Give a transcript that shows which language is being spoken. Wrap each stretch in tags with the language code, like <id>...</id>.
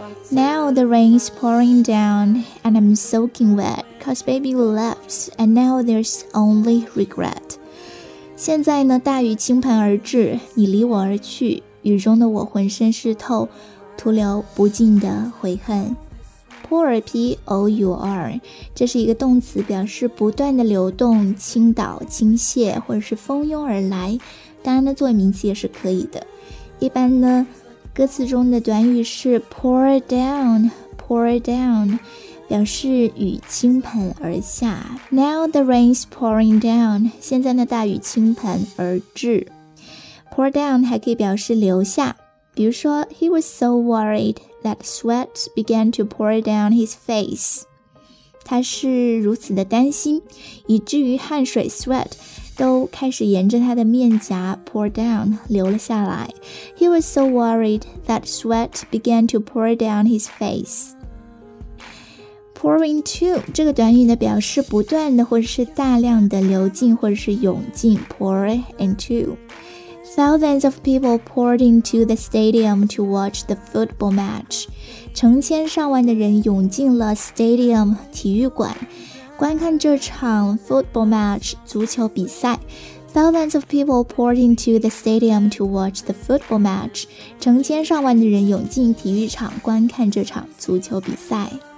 <en>Now the rain is pouring down and I'm soaking wet, cause baby left and now there's only regret.</en> <zh>现在呢大雨倾盆而至，你离我而去，雨中的我浑身湿透，徒留不尽的悔恨。 Pour, P-O-U-R, 这是一个动词，表示不断的流动，倾倒倾泻，或者是蜂拥而来，当然呢作为名词也是可以的。一般呢歌词中的短语是</zh> <en>pour it down,</en> <zh>pour it down, 表示雨倾盆而下。</zh> <en>Now the rain's pouring down,</en> <zh>现在呢大雨倾盆而至。 Pour down 还可以表示流下，比如说</zh> <en>He was so worried that sweat began to pour down his face,</en> <zh>他是如此的担心，以至于汗水 sweat都开始沿着他的面颊 pour down, 流了下来。</zh> <en>He was so worried that sweat began to pour down his face.</en> <zh>Pouring to, 这个短语呢表示不断的或者是大量的流进或者是涌进， pour into.</zh> <en>Thousands of people poured into the stadium to watch the football match.</en> <zh>成千上万的人涌进了 stadium, 体育馆，观看这场 football match, 足球比赛。</zh> <en>Thousands of people poured into the stadium to watch the football match,</en> <zh>成千上万的人涌进体育场观看这场足球比赛。</zh>